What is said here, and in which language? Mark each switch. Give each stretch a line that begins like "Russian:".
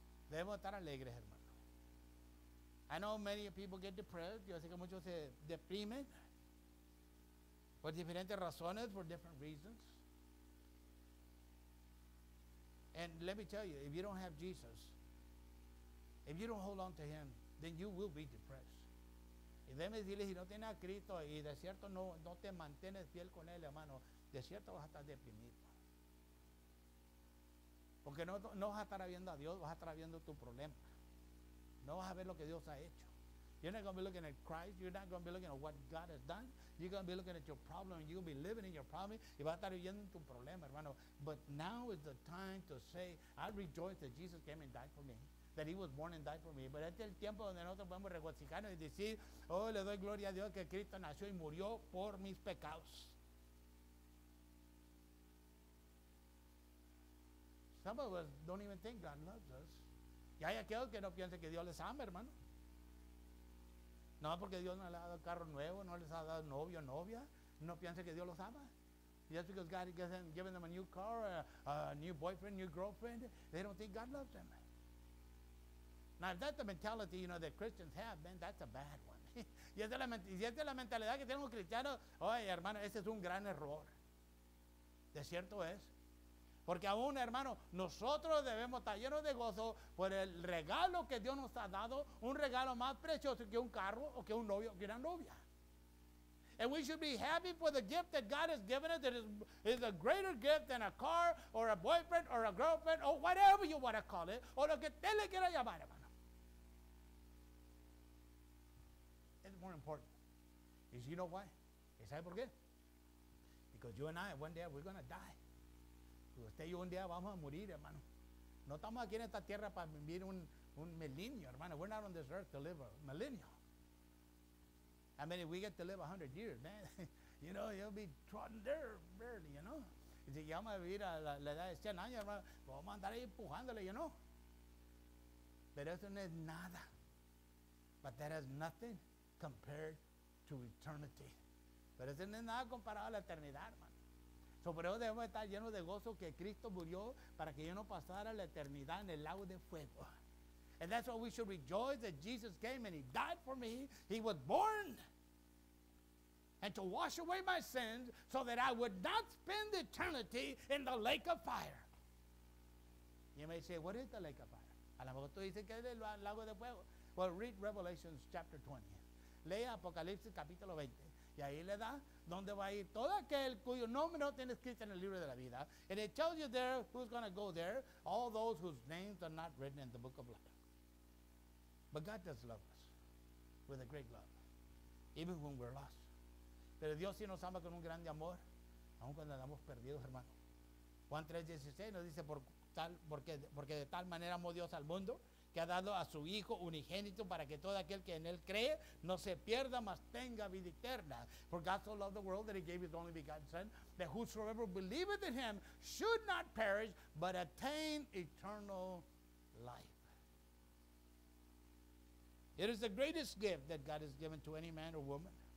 Spanish: Debemos estar alegres, hermano.
English: I know many people get depressed.
Spanish: Yo sé que muchos se deprimen por diferentes razones,
English: for different reasons. And let me tell you, if you don't have Jesus, if you don't hold on to him, then you will be depressed.
Spanish: Y déjeme decirle, si no tienes a Cristo y de cierto no te mantienes fiel con él, hermano, de cierto vas a estar deprimido. Porque no vas a estar viendo a Dios, vas a estar viendo tu problema. No vas a ver lo que Dios ha hecho.
English: You're not going to be looking at Christ. You're not going to be looking at what God has done. You're going to be looking at your problem. You're going to be living in your problem.
Spanish: Y vas a estar viviendo tu problema, hermano.
English: But now is the time to say, I rejoice that Jesus came and died for me. That he was born and died for me.
Spanish: Pero este es el tiempo donde nosotros podemos regocijarnos y decir, oh, le doy gloria a Dios que Cristo nació y murió por mis pecados.
English: Some of us don't even think God loves us.
Spanish: Y hay aquellos que no piensan que Dios les ama, hermano. No, porque Dios no les ha dado carro nuevo, no les ha dado novio, novia. No piensan que Dios los ama.
English: Just because God has given them a new car, a new boyfriend, new girlfriend, they don't think God loves them. Now, if that's the mentality, you know, that Christians have, then that's a bad one.
Spanish: Y esa es la mentalidad que tenemos cristianos. Oye, hermano, ese es un gran error. De cierto es. Porque aún, hermano, nosotros debemos estar llenos de gozo por el regalo que Dios nos ha dado, un regalo más precioso que un carro o que un novio o que una novia.
English: And we should be happy for the gift that God has given us that is a greater gift than a car or a boyfriend or a girlfriend or whatever you want to call it.
Spanish: O lo que te le quiera llamar, hermano.
English: It's more important. Is you know why?
Spanish: ¿Y sabe por qué?
English: Because you and I, one day, we're going to die.
Spanish: Usted y yo un día vamos a morir, hermano. No estamos aquí en esta tierra para vivir un milenio, hermano.
English: We're not on this earth to live a millennium. I mean, if we get to live 100 years, man, you know, you'll be trotting there barely, you know.
Spanish: Y si vamos a vivir a la edad de 100 años, hermano, pues vamos a andar ahí empujándole, you know. Pero eso no es nada.
English: But that is nothing compared to eternity.
Spanish: Pero eso no es nada comparado a la eternidad, hermano. So, por eso debemos estar llenos de gozo que Cristo murió para que yo no pasara la eternidad en el lago de fuego.
English: And that's why we should rejoice that Jesus came and he died for me. He was born. And to wash away my sins so that I would not spend eternity in the lake of fire. You may say, what is the lake of fire?
Spanish: A lo mejor tú dices que es el lago de fuego.
English: Well, read Revelation chapter 20.
Spanish: Lee Apocalipsis capítulo 20. Y ahí le da donde va a ir todo aquel cuyo nombre no tiene escrito en el libro de la vida.
English: And it tells you there who's going to go there. All those whose names are not written in the book of life. But God does love us with a great love, even when we're lost.
Spanish: Pero Dios sí nos ama con un grande amor, aun cuando andamos perdidos, hermano. Juan 3:16 nos dice, porque de tal manera amó Dios al mundo, que ha dado a su Hijo unigénito para que todo aquel que en él cree no se pierda, mas tenga vida eterna.
English: For God so loved the world that he gave his only begotten Son, that whosoever believeth in him should not perish, but attain eternal life. It is the greatest gift that God has given to any man or woman.